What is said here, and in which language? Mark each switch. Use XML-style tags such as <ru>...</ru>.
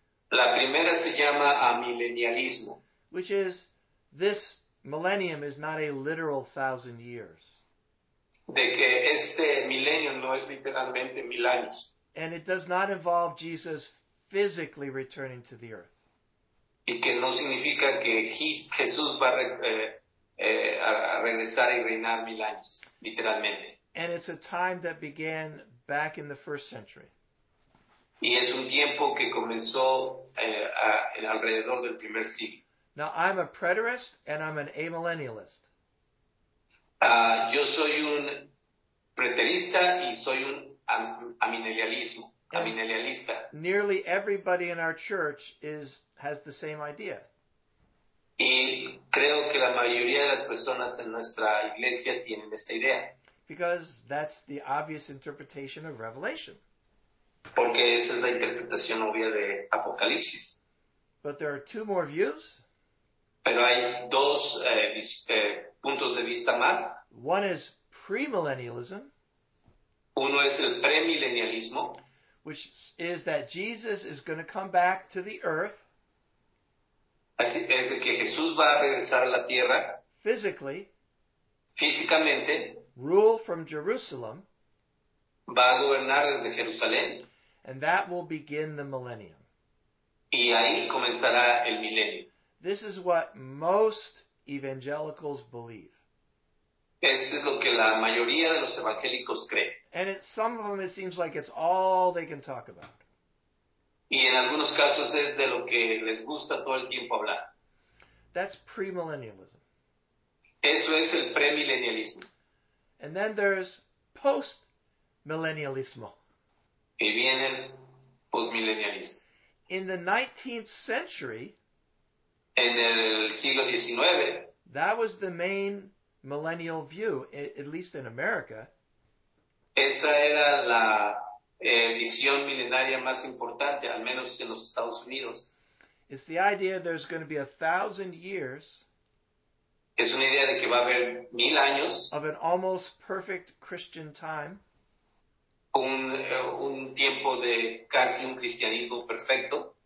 <es>La primera se llama amillennialismo.</es> <en>Which is, this millennium is not a literal 1,000 years.</en> <es>De que este milenio no es literalmente 1,000 años.</es> <en>And it does not involve Jesus physically returning to the earth.</en> <es>Y que no significa que Jesús va a regresar y reinar 1,000 años, literalmente.</es> <en>And it's a time that began back in the first century.</en> <es>Y es un tiempo que comenzó alrededor del primer siglo.</es> <en>Now, I'm a preterist and I'm an amillennialist.</en> <es>Yo soy un preterista y soy un amillennialista.</es> <en>Nearly everybody in our church has the same idea.</en> <es>Y creo que la mayoría de las personas en nuestra iglesia tienen esta idea.</es> <en>Because that's the obvious interpretation of Revelation.</en> <es>Porque esa es la interpretación obvia de Apocalipsis.</es> <en>But there are two more views.</en> <es>Pero hay dos puntos de vista más.</es> <en>One is premillennialism.</en> <es>Uno es el premillennialismo.</es> <en>Which is that Jesus is going to come back to the earth.</en> <es>Así es de que Jesús va a regresar a la tierra.</es> <en>Physically.</en> <es>Físicamente.</es> <en>Rule from Jerusalem.</en> <es>Va a gobernar desde Jerusalén.</es> <en>And that will begin the millennium.</en> <es>Y ahí comenzará el milenio.</es> <en>This is what most evangelicals believe.</en> <es>Esto es lo que la mayoría de los evangélicos cree.</es> <en>And some of them it seems like it's all they can talk about.</en> <es>Y en algunos casos es de lo que les gusta todo el tiempo hablar.</es> <en>That's premillennialism.</en> <es>Eso es el premillennialismo.</es> <en>And then there's postmillennialismo.</en> <es>Y viene el postmillennialismo.</es> <en>In the 19th century,</en> <es>en el siglo XIX,</es> <en>that was the main millennial view, at least in America.</en> <es>Esa era la visión milenaria más importante, al menos en los Estados Unidos.</es> <en>It's the idea there's going to be 1,000 years.</en> <es>Es una idea de que va a haber 1,000 años.</es> <en>Of an almost perfect Christian time.</en> <es>Un tiempo de casi un cristianismo perfecto.</es>